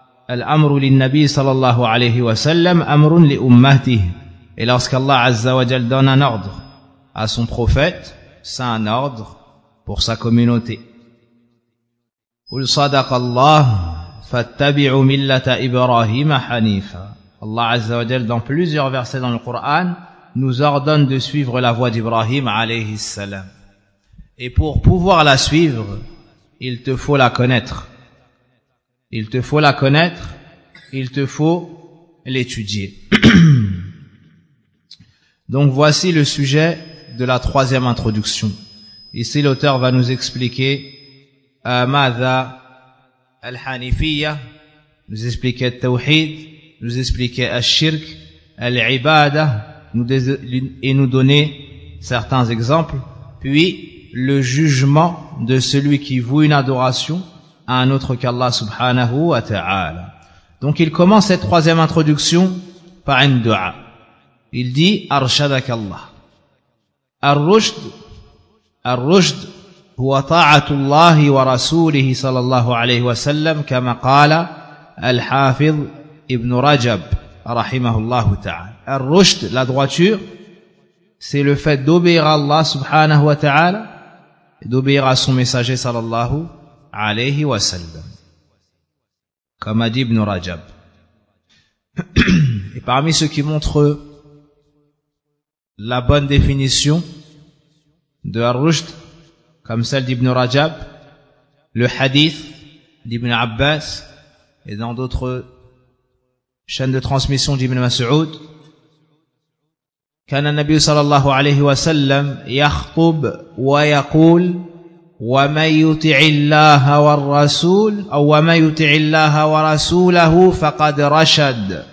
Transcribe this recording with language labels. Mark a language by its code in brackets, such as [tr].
[ar] الأمر للنبي صلى الله عليه وسلم أمر لأمته. [fr] Et lorsqu'Allah عز وجل donne un ordre à son prophète, c'est un ordre pour sa communauté. [ar] Qul sadaq Allah, fattabi'u millata Ibrahim hanifa. [fr] Allah Azza wa Jal, dans plusieurs versets dans le Coran, nous ordonne de suivre la voie d'Ibrahim alayhi salam. Et pour pouvoir la suivre, il te faut la connaître. Il te faut la connaître, il te faut l'étudier. Donc voici le sujet de la troisième introduction. Ici l'auteur va nous expliquer [ar] ماذا الحنيفية, [fr] nous expliquer le tawhid, nous expliquer الشرك, العبادة, et nous donner certains exemples, puis le jugement de celui qui voue une adoration à un autre qu'Allah subhanahu wa ta'ala. Donc il commence cette troisième introduction par un dua. Il dit [ar] أرشدك الله. الرشد, الرشد هو طاعة الله ورسوله صلى الله عليه وسلم كما قال الحافظ ابن رجب رحمه الله تعالى. [fr] الرشد, la droiture, c'est le fait d'obéir à Allah subhanahu wa ta'ala, d'obéir à son messager صلى الله عليه وسلم comme a dit ibn Rajab. Et parmi ceux qui montrent la bonne définition de Ar-Rushd, comme celle d'Ibn Rajab, le hadith d'Ibn Abbas et dans d'autres chaînes de transmission d'Ibn Mas'ud, [ar] كان النبي صلى الله عليه وسلم يخطب ويقول ومن يطع الله والرسول أو ومن يطع الله ورسوله فقد رشد.